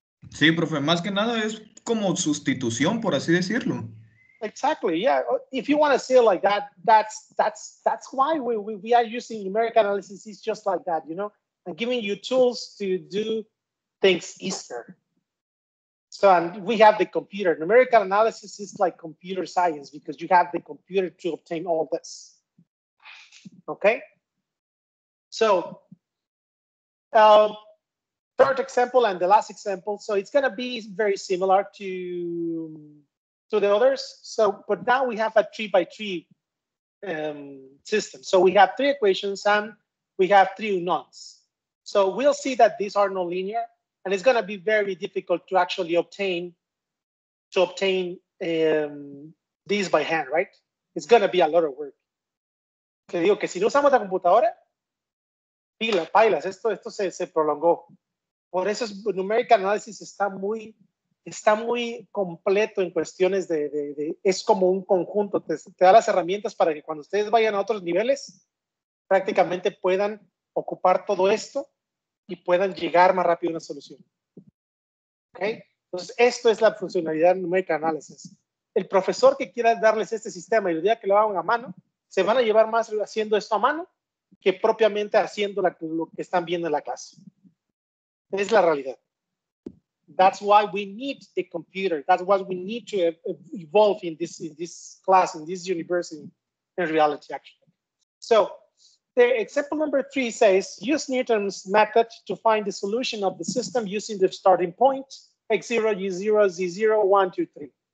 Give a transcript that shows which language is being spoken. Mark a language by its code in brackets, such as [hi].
[es] Sí, profe, más que nada es como sustitución, por así decirlo. [en] Exactly, yeah. If you want to say it like that, that's why we are using numerical analysis. It's just like that, you know? And giving you tools to do things easier. So and we have the computer. Numerical analysis is like computer science because you have the computer to obtain all this. Okay? So third example and the last example. So it's going to be very similar to the others. So but now we have a 3x3 system. So we have three equations and we have three unknowns. So we'll see that these are nonlinear, and it's going to be very difficult to actually obtain these by hand, right? It's going to be a lot of work. [es] Que digo que si no usamos la computadora, pilas, esto se prolongó. Por eso es numerical analysis está muy completo en cuestiones de es como un conjunto. Te da las herramientas para que cuando ustedes vayan a otros niveles, prácticamente puedan ocupar todo esto y puedan llegar más rápido a una solución. ¿Okay? Entonces, esto es la funcionalidad numérica análisis. el profesor que quiera darles este sistema y el día que lo hagan a mano, se van a llevar más haciendo esto a mano que propiamente haciendo lo que están viendo en la clase. Es la realidad. [en] That's why we need the computer. That's why we need to evolve in this class, in this university, in reality, actually. So, the example number 3 says, use Newton's method to find the solution of the system using the starting point, x0, u0, z0, 1, 2, 3.